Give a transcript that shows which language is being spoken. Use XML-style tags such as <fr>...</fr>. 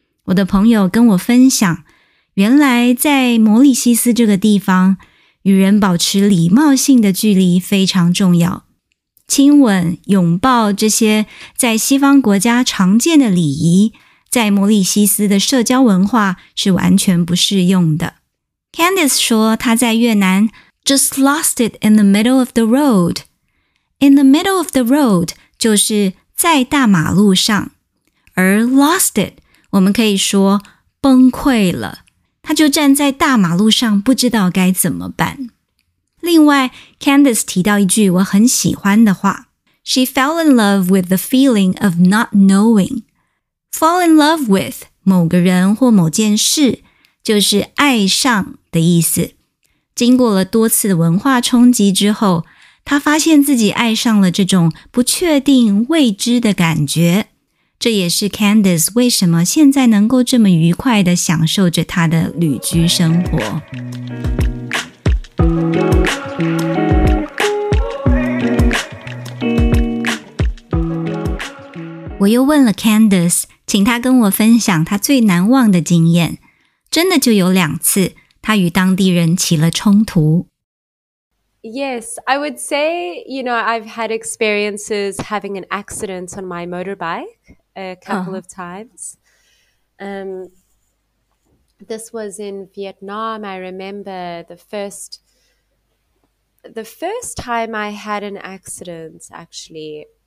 <zh>我的朋友跟我分享，原来在摩里西斯这个地方，与人保持礼貌性的距离非常重要。亲吻、拥抱这些在西方国家常见的礼仪，在摩里西斯的社交文化是完全不适用的。</zh> <en>Candice</en> <zh>说她在越南</zh> <en>just lost it in the middle of the road. In the middle of the road</en> <zh>就是在大马路上。而</zh> <en>lost it</en> <zh>我们可以说崩溃了。她就站在大马路上不知道该怎么办。另外 Candice 提到一句我很喜欢的话。</zh> <en>She fell in love with the feeling of not knowing. Fall in love with</en> <zh>某个人或某件事就是爱上的意思。经过了多次文化冲击之后，他发现自己爱上了这种不确定未知的感觉。这也是 Candice 为什么现在能够这么愉快地享受着他的旅居生活。我又问了 Candice， 请他跟我分享他最难忘的经验。真的就有两次，他与当地人起了冲突。</zh> <en>Yes, I would say, you know, I've had experiences having an accident on my motorbike a couple of times. This was in Vietnam. I remember the first time I had an accident, actually.</en>